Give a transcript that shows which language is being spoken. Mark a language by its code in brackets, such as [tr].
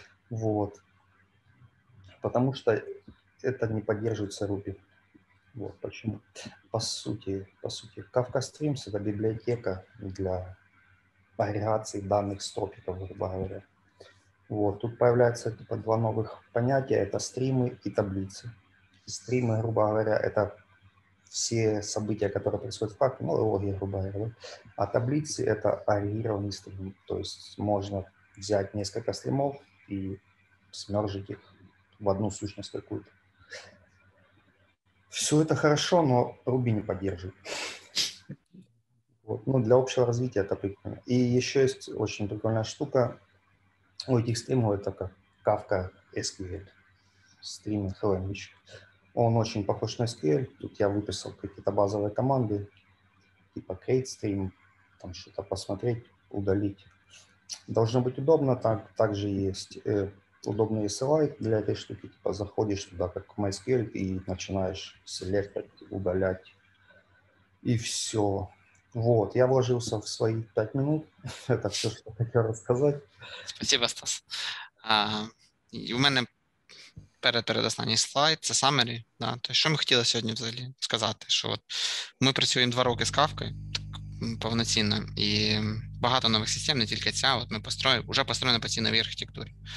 [ru] Вот. Потому что это не поддерживается Ruby. Вот почему. По сути, Kafka Streams — это библиотека для агрегации данных с топиков, грубо говоря. Вот, тут появляются типа два новых понятия, это стримы и таблицы. Стримы, грубо говоря, это все события, которые происходят в Kafka, ну, логи, грубо говоря. А таблицы — это агрегированный стрим, то есть можно взять несколько стримов и смержить их в одну сущность какую-то. Все это хорошо, но Ruby не поддерживает. Вот. Ну, для общего развития это прикольно. И еще есть очень прикольная штука. У этих стримов это как Kafka SQL, стрим Hellenic. Он очень похож на SQL. Тут я выписал какие-то базовые команды, типа create stream, там что-то посмотреть, удалить. Должно быть удобно. Так, также есть удобный SLI для этой штуки. Типа заходишь туда, как в MySQL, и начинаешь селектировать, удалять. И все. Вот, я вложился в свои 5 минут. Это все, что хотел рассказать. Спасибо, Стас. У меня [uk] передостанній слайд, це summary. Да. То, що ми хотіли сьогодні взагалі сказати, що от ми працюємо 2 роки з Кафкою повноцінно, і багато нових систем, не тільки ця, от ми вже построєно по цій новій архітектурі.